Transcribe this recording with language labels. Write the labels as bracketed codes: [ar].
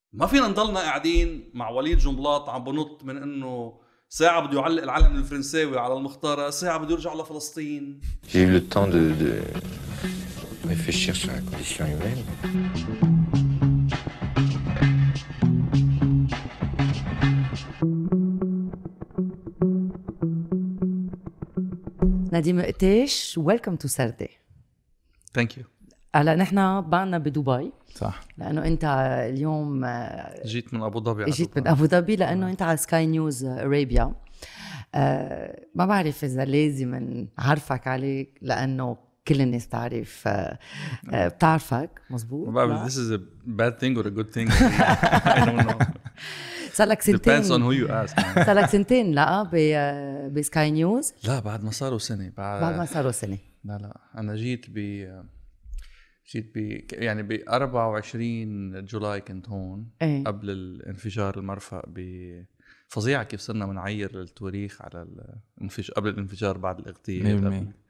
[ar] ما فينا نضلنا قاعدين مع وليد جنبلاط عم بنط من انه ساعة بده يعلق العلم الفرنساوي على المختارة، ساعة بده يرجع لفلسطين. [fr] J'ai eu le temps de réfléchir sur la condition humaine. [en] Nadim Qatish, welcome to Sarda. Thank you. [ar] هلا نحن بعنا بدبي، صح؟ لانه انت اليوم جيت من ابو ظبي. جيت من ابو ظبي لانه انت على سكاي نيوز اريبيا. ما بعرف اذا لازم نعرفك عليك لانه كل الناس تعرف بتعرفك. مزبوط. ما بعرف [en] this is a bad thing or a good thing. [ar] سألك سنتين. [en] Depends on who you ask. [ar] سألك سنتين لا بسكاي نيوز. لا بعد ما صاروا سنة. بعد ما صاروا سنة. لا لا أنا جيت ب يعني ب 24 جولاي كنت هون. ايه؟ قبل الانفجار المرفأ بفظيعة كيف صرنا منعير التواريخ على الانفجار قبل الانفجار بعد الاغتيال.